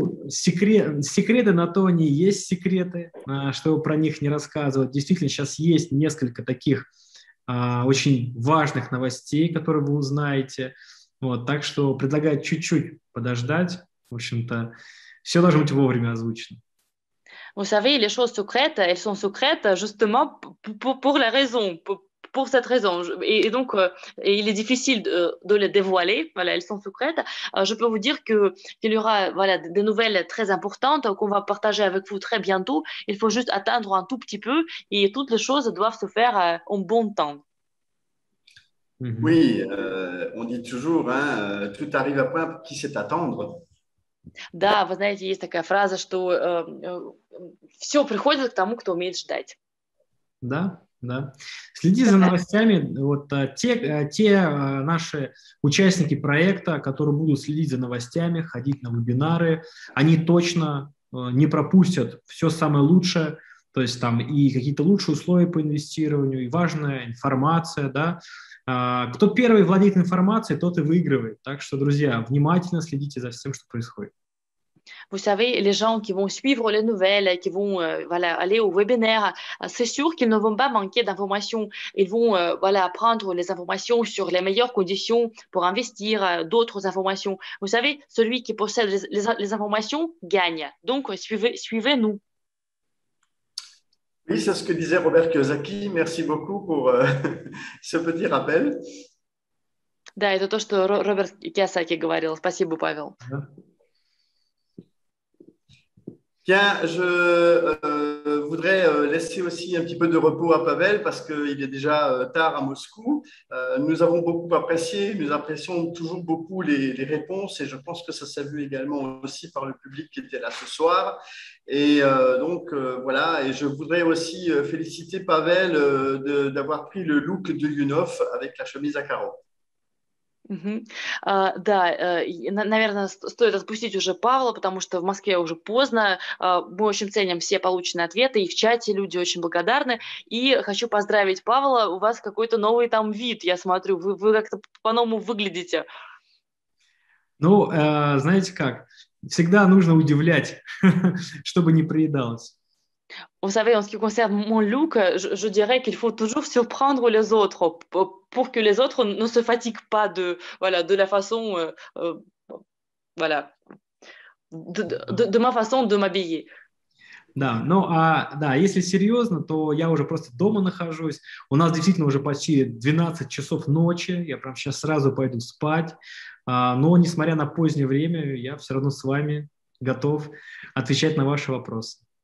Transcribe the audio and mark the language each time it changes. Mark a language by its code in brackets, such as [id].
[ru] Секреты на то не есть секреты, чтобы про них не рассказывать. Действительно, сейчас есть несколько таких очень важных новостей, которые вы узнаете. Вот, так что предлагаю чуть-чуть подождать. В общем-то, все должно быть вовремя озвучено. [fr] Vous savez, les choses secrètes, elles sont secrètes justement pour la raison, pour cette raison. Et donc, il est difficile de les dévoiler. Voilà, elles sont secrètes. Je peux vous dire qu'il y aura voilà, des nouvelles très importantes qu'on va partager avec vous très bientôt. Il faut juste attendre un tout petit peu et toutes les choses doivent se faire en bon temps. Mm-hmm. Oui, on dit toujours, hein, tout arrive à point, qui sait attendre. [ru] Да, вы знаете, есть такая фраза, что все приходит к тому, кто умеет ждать. Да, да. Следи за новостями. Вот те наши участники проекта, которые будут следить за новостями, ходить на вебинары, они точно не пропустят все самое лучшее. То есть там и какие-то лучшие условия по инвестированию, и важная информация, да. Кто первый владеет информацией, тот и выигрывает. Так что, друзья, внимательно следите за всем, что происходит. [fr] Vous savez, les gens qui vont suivre les nouvelles, qui vont voilà, aller au webinaire, c'est sûr qu'ils ne vont pas manquer d'informations. Ils vont voilà, prendre les informations sur les meilleures conditions pour investir, d'autres informations. Vous savez, celui qui possède les informations gagne. Donc, suivez-nous. Oui, c'est ce que disait Robert Kiyosaki. Merci beaucoup pour ce petit rappel. [ru] Да, это то, что Роберт Киосаки говорил. Спасибо, Павел. [fr] Bien, je voudrais laisser aussi un petit peu de repos à Pavel parce qu'il est déjà tard à Moscou. Nous avons beaucoup apprécié, nous apprécions toujours beaucoup les réponses et je pense que ça s'est vu également aussi par le public qui était là ce soir. Et donc, voilà, et je voudrais aussi féliciter Pavel d'avoir pris le look de Yunov avec la chemise à carreaux. [ru] Да, наверное, стоит отпустить уже Павла, потому что в Москве уже поздно. Мы очень ценим все полученные ответы, и в чате люди очень благодарны. И хочу поздравить Павла, у вас какой-то новый там вид, я смотрю, вы как-то по-новому выглядите. Ну, знаете как, Всегда нужно удивлять, чтобы не приедалось. [fr] Vous savez, en ce qui concerne mon look, je dirais qu'il faut toujours surprendre les autres pour que les autres ne se fatiguent pas de, voilà, de la façon, voilà, de ma façon de m'habiller. [ru] Да, ну а да, если серьезно, то я уже просто дома нахожусь. У нас действительно уже почти 12 часов ночи. Я прям сейчас сразу пойду спать. Но несмотря на позднее время, я все равно с вами готов отвечать на ваши вопросы.